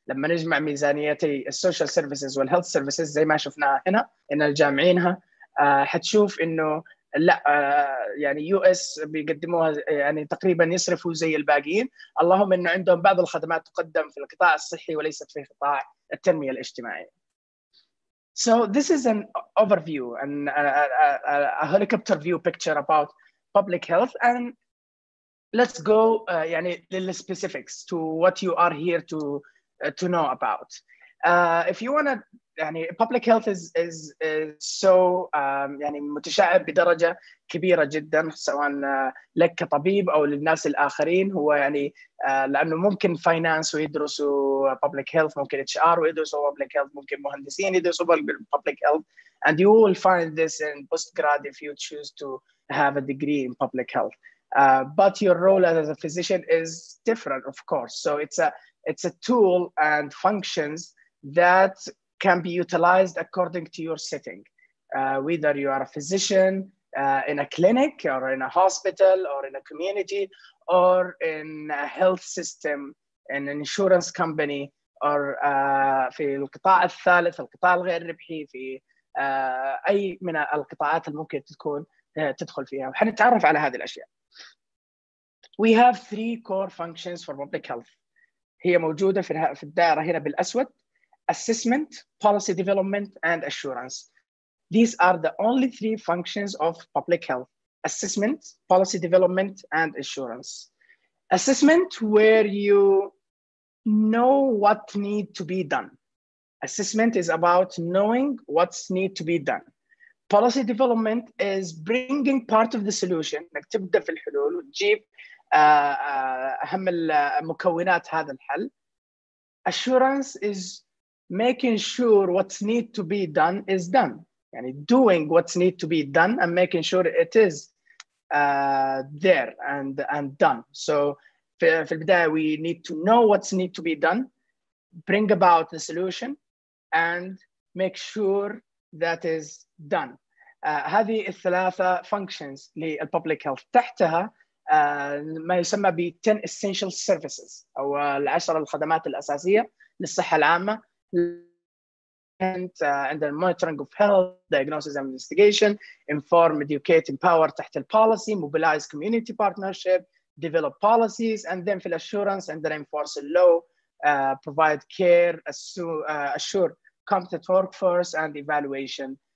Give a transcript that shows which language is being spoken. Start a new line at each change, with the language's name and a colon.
Arabic: لما نجمع ميزانيتي السوشيال سيرفيسز والهيلث سيرفيسز زي ما شفناها هنا ان الجامعينها حتشوف انه لا يعني يو اس بيقدموها يعني تقريبا يصرفوا زي الباقيين، اللهم انه عندهم بعض الخدمات تقدم في القطاع الصحي وليست في قطاع التنمية الاجتماعية.
English: So this is an overview and a helicopter view picture about public health. And let's go يعني little specifics to what you are here to know about. If you want to,
Arabic: يعني
English: public health is so
Arabic: يعني متشعب بدرجة كبيرة جدا، سواء لك كطبيب أو للناس الآخرين، هو يعني لأنه ممكن finance ويدرسوا public health، ممكن HR ويدرسوا public health، ممكن مهندسين يدرسوا public health.
English: And you will find this in postgrad if you choose to have a degree in public health. But your role as a physician is different, of course. So it's a tool and functions that can be utilized according to your setting, whether you are a physician in a clinic or in a hospital or in a community or in a health system, an insurance company, or
Arabic: في القطاع الثالث، القطاع الغير ربحي، في أي من القطاعات الممكن تكون تدخل فيها. وحنتعرف على هذه الأشياء.
English: We have three core functions for public health.
Arabic: هي موجودة في الدائرة هنا بالأسود.
English: Assessment, policy development, and assurance. These are the only three functions of public health. Assessment, policy development, and assurance. Assessment, where you know what need to be done. Assessment is about knowing what's need to be done. Policy development is bringing part of the solution.
Arabic: انك تبدأ في الحلول وتجيب أهم المكونات هذا الحل.
English: Assurance is making sure what's need to be done is done. يعني doing what's need to be done and making sure it is there and done. So
Arabic: في البداية
English: we need to know what's need to be done, bring about the solution and make sure that is done.
Arabic: هذه الثلاثة functions للpublic health. تحتها ما يسمى بـ
English: 10 essential services
Arabic: أو العشر الخدمات الأساسية للصحة العامة.
English: And then monitoring of health, diagnosis and investigation, inform, educate, empower
Arabic: تحت البوليسي,
English: mobilize community partnership, develop policies, and then fill assurance and then enforce the law, provide care, assure competent workforce and evaluation.